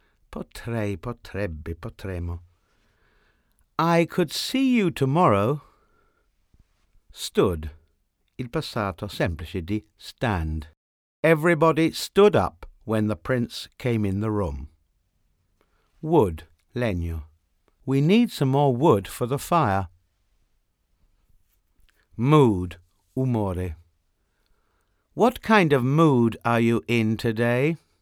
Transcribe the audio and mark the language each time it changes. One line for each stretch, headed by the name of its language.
Italian: Potrei, potrebbe, potremo.
English: I could see you tomorrow. Stood.
Italian: Il passato semplice di stand.
English: Everybody stood up when the prince came in the room. Wood. Legno. We need some more wood for the fire. Mood. Umore. What kind of mood are you in today?